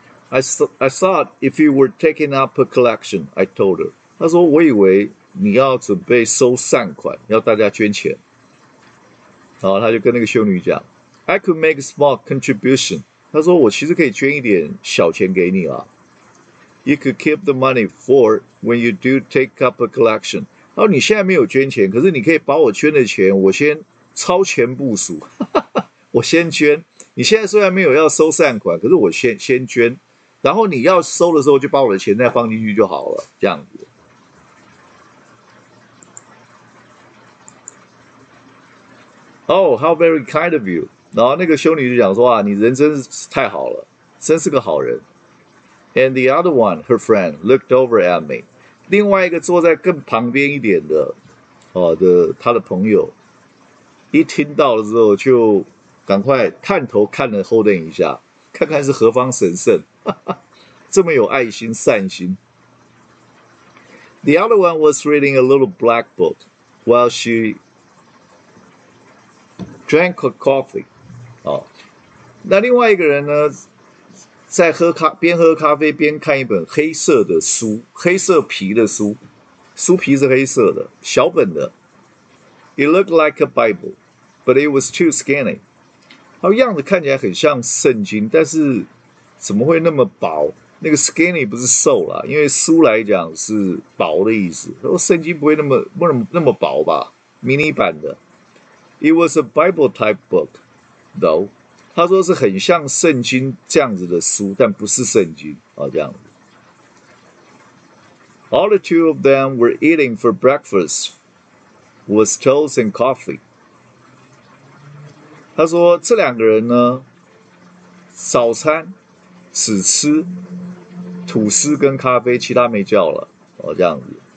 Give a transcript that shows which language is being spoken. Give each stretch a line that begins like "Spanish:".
English: I thought if you were taking up a collection, I told her。
Chinese: 他说："我以为你要准备收善款，要大家捐钱。" 然后他就跟那个修女讲：
English: "I could make a small contribution。"
Chinese: 他说："我其实可以捐一点小钱给你啊。"
English: You could keep the money for when you do take up a collection。
Chinese: 然后你现在没有捐钱，可是你可以把我捐的钱，我先超前部署，我先捐。你现在虽然没有要收善款，可是我先捐。然后你要收的时候，就把我的钱再放进去就好了，这样子。
English: Oh, how very kind of you！
Chinese: 然后那个修女就讲说："啊，你人真是太好了，真是个好人。"
English: And the other one, her friend, looked over at me。
Chinese: 另外一个坐在更旁边一点的，他的朋友，一听到了之后，就赶快探头看了 Holden 一下，看看是何方神圣。这么有爱心、善心。
English: The other one was reading a little black book while she drank her coffee。
Chinese: 那另外一个人呢，在喝咖，边喝咖啡边看一本黑色的书，黑色皮的书，书皮是黑色的，小本的。
English: It looked like a Bible, but it was too skinny。
Chinese: 它样子看起来很像圣经，但是怎么会那么薄？那个 skinny 不是瘦啦，因为书来讲是薄的意思。说圣经不会那么薄吧？迷你版的。
English: It was a Bible type book, though。
Chinese: 他说是很像圣经这样子的书，但不是圣经啊，这样子。
English: All the two of them were eating for breakfast was toast and coffee。
Chinese: 他说这两个人呢，早餐只吃吐司跟咖啡，其他没叫了，哦，这样子。